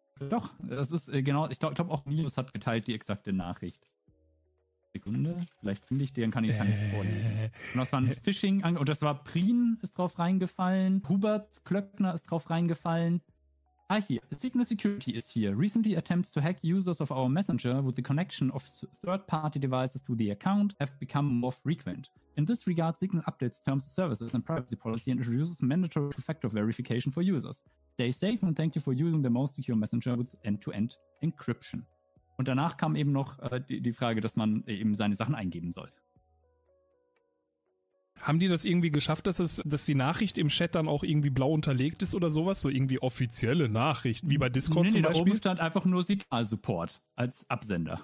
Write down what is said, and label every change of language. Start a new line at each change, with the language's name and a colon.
German: Doch, das ist genau, ich glaube auch Nils hat geteilt die exakte Nachricht. Sekunde, vielleicht finde ich die, dann kann ich es vorlesen. Und das war ein Phishing, und das war Prien ist drauf reingefallen, Hubert Klöckner ist drauf reingefallen. Ah, hier, Signal Security ist hier.
English: Recently attempts to hack users of our messenger with the connection of third-party devices to the account have become more frequent. In this regard, Signal updates terms of services and privacy policy and introduces mandatory two-factor verification for users. Stay safe and thank you for using the most secure messenger with end-to-end encryption.
German: Und danach kam eben noch die Frage, dass man eben seine Sachen eingeben soll. Haben die das irgendwie geschafft, dass die Nachricht im Chat dann auch irgendwie blau unterlegt ist oder sowas? So irgendwie offizielle Nachricht, wie bei Discord zum Beispiel? Da oben stand einfach nur Signal-Support als Absender.